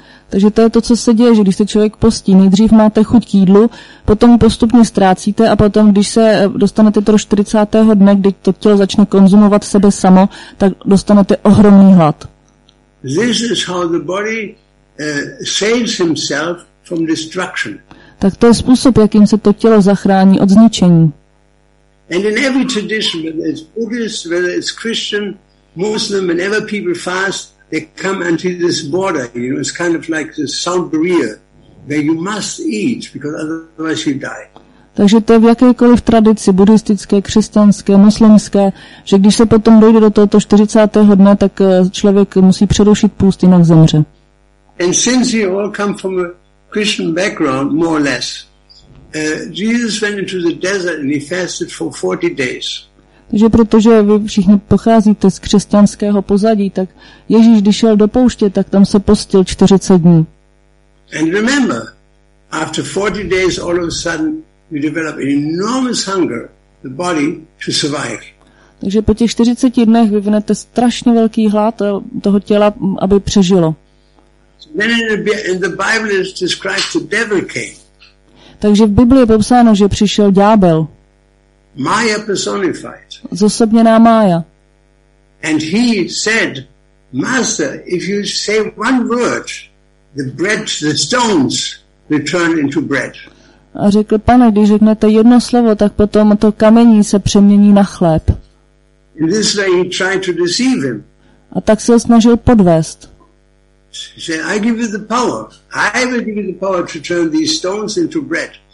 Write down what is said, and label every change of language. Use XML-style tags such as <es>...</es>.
<cs>Takže to je to, co se děje, že když se člověk postí, nejdřív máte chuť k jídlu, potom postupně ztrácíte a potom, když se dostanete do 40. dne, kdy to tělo začne konzumovat sebe samo, tak dostanete ohromný hlad.</cs> <en>This is how the body saves himself from destruction.</en> <cs>Tak to je způsob, jakým se to tělo zachrání od zničení.</cs> <en>And in every tradition, whether it's Buddhist, whether it's Christian, Muslim, whenever people fast, they come into this border. You know, it's kind of like the sound barrier where you must eat because otherwise you die.</en> <cs>Takže to je v jakékoliv tradici, buddhistické, křesťanské, muslimské, že když se potom dojde do tohoto 40. dne, tak člověk musí přerušit půst, jinak zemře.</cs> <en>And since you all come from a Christian background, more or less, Jesus went into the desert and he fasted for 40 days.</en> <cs>Takže protože vy všichni pocházíte z křesťanského pozadí, tak Ježíš, když šel do pouště, tak tam se postil 40 dní.</cs> <en>And remember, after 40 days, all of a sudden, you develop an enormous hunger, the body, to survive.</en> <cs>Takže po těch 40 dnech vyvinete strašně velký hlad toho těla, aby přežilo.</cs> <en>Then in the Bible it is described the devil came.</en> <cs>Takže v Biblii je popsáno, že přišel ďábel.</cs> <en>Maya personified.</en> <cs>Zosobněná Maya.</cs> <en>And he said, Master, if you say one word, the bread, the stones will turn into bread.</en> <cs>A řekl, pane, když řeknete jedno slovo, tak potom to kamení se přemění na chléb.</cs> <en>In this way he tried to deceive him.</en> <cs>A tak se ho snažil podvést.</cs> <en>He said, I give you the power. I will give you the power to turn these stones into bread.</en>